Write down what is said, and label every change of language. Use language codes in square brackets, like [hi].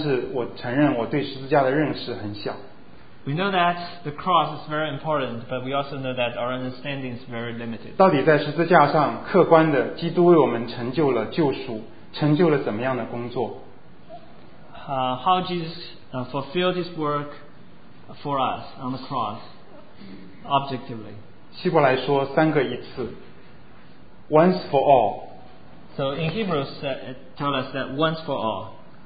[zh] 诚实的讲，许多时候对十字架，我知道十字架很大，但是我承认我对十字架的认识很小。 [en] We know that the cross is very important, but we also know that our understanding is very limited. [zh] 到底在十字架上，客观的，基督为我们成就了救赎，成就了怎么样的工作？ [en] How Jesus fulfilled His work for us on the cross? Objectively. [zh] 希伯来说三个一次, [en] once for all. So in Hebrews it tells us that once for all.